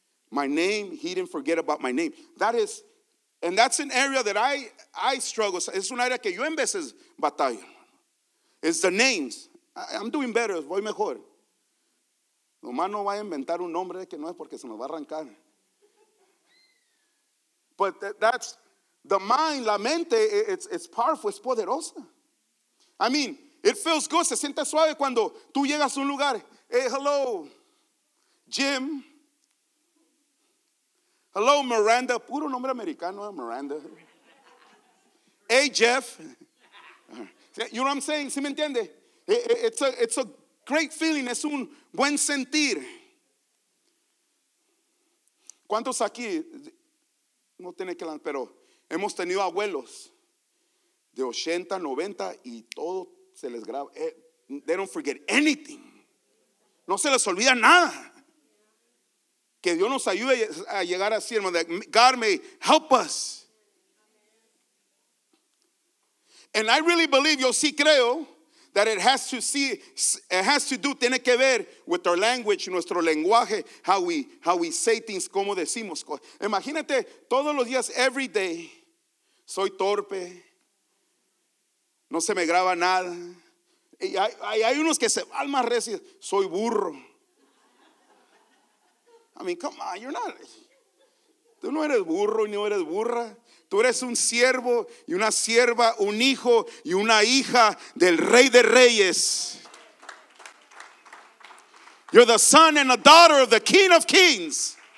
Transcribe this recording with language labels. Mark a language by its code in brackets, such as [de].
[en] My name, he didn't forget about my name. That is, and that's an area that I struggle. [es] Es un área que yo en veces batallo. [en] It's the names. I'm doing better. [es] Voy mejor. Nomás no va a inventar un nombre que no es porque se nos va a arrancar. [en] But that's the mind, [es] la mente, [en] it's powerful, [es] es poderosa. [en] I mean, it feels good, [es] se siente suave cuando tú llegas a un lugar. [en] Hey, hello, Jim. Hello, Miranda. [es] Puro nombre americano, Miranda. [en] Hey, Jeff. You know what I'm saying? [es] ¿Sí me entiende? [en] It's a great feeling, [es] es un buen sentir. ¿Cuántos aquí, no tiene que, pero hemos tenido abuelos de 80, 90 y todo se les graba? [en] They don't forget anything. [es] No se les olvida nada. Que Dios nos ayude a llegar así, hermano. [en] God may help us. And I really believe, [es] yo sí creo, [en] that it has to see, it has to do, [es] tiene que ver [en] with our language, [es] nuestro lenguaje, [en] how we say things, [es] como decimos. Imagínate todos los días, [en] every day, [es] soy torpe, no se me graba nada. Y hay unos que se van más recio, soy burro. [en] I mean, come on, you're not, [es] tú no eres burro ni no eres burra. Tú eres un siervo y una sierva, un hijo y una hija del Rey de Reyes. [en] You're the son and the daughter of the King of Kings.